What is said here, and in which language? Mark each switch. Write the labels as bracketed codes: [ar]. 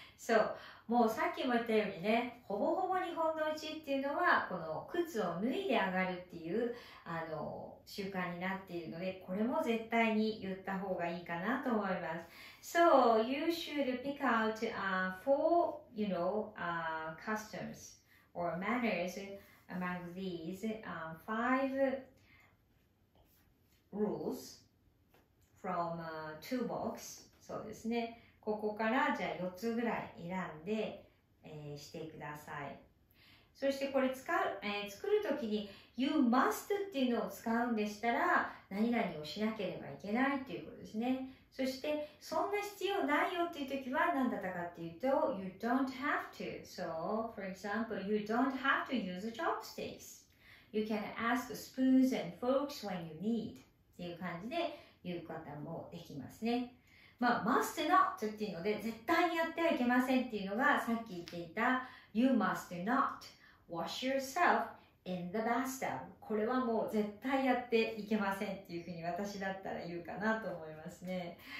[ja] So, もうさっきも言ったようにね、ほぼほぼ日本の家っていうのはこの靴を脱いで上がるっていう習慣になっているので、これも絶対に言った方がいいかなと思います。 [en] So, you should pick out four, you know, customs or manners among these five rules from two books. [ja] そうですね。ここからじゃあ4つぐらい選んで、してください。そしてこれ使う、作るときに You must っていうのを使うんでしたら何々をしなければいけないっていうことですね。そしてそんな必要ないよっていうときは何だったかっていうと [en] You don't have to. So, for example, you don't have to use chopsticks. You can ask spoons and forks when you need. [ja] っていう感じで言う方もできますね。まあ、must not っていうので絶対にやってはいけませんっていうのがさっき言っていた [en] You must not wash yourself in the bathtub. [ja] これはもう絶対やっていけませんっていうふうに私だったら言うかなと思いますね。